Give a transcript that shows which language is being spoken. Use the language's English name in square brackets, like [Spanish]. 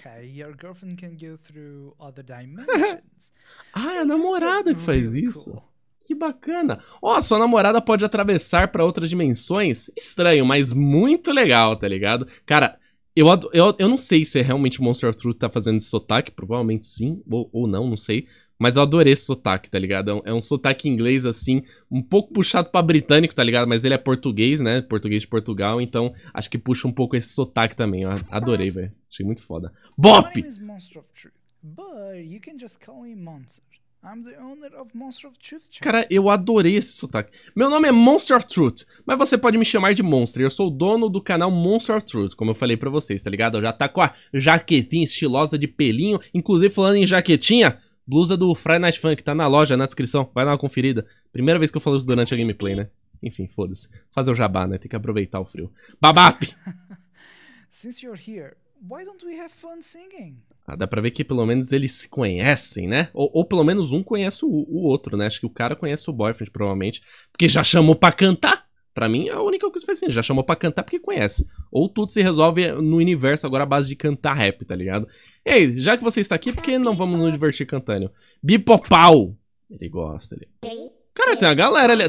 [English] Okay, your girlfriend can go through other dimensions. [Portuguese] Ah, é a namorada que faz isso. Que bacana. Ó, sua namorada pode atravessar para outras dimensões? Estranho, mas muito legal, tá ligado? Cara, eu não sei se é realmente o Monster of Truth tá fazendo esse sotaque. Provavelmente sim, ou não, não sei. Mas eu adorei esse sotaque, tá ligado? É um sotaque inglês, assim, um pouco puxado pra britânico, tá ligado? Mas ele é português, né? Português de Portugal. Então, acho que puxa um pouco esse sotaque também. Eu adorei, velho. Achei muito foda. [English] My Bop! name is Monster of Truth, but you can just call me Monster. I'm the owner of Monster of Truth [Portuguese] Cara, [English] channel. [Portuguese] eu adorei esse sotaque. Meu nome é Monster of Truth, mas você pode me chamar de Monster. Eu sou o dono do canal Monster of Truth, como eu falei pra vocês, tá ligado? Eu já tá com a jaquetinha estilosa de pelinho. Inclusive, falando em jaquetinha, blusa do Friday Night Funk, tá na loja, na descrição. Vai dar uma conferida. Primeira vez que eu falo isso durante a gameplay, né? Enfim, foda-se. Fazer o jabá, né? Tem que aproveitar o frio. Babap! [English] Since you're here, why don't we have fun singing? [Portuguese] Ah, dá pra ver que pelo menos eles se conhecem, né? Ou pelo menos um conhece o outro, né? Acho que o cara conhece o boyfriend, provavelmente. Porque já chamou pra cantar. Pra mim, é a única coisa que faz sentido. Já chamou pra cantar porque conhece. Ou tudo se resolve no universo agora à base de cantar rap, tá ligado? Ei, já que você está aqui, por que não vamos nos divertir cantando? Bipopau! Ele gosta, ele. Cara, tem uma galera ali.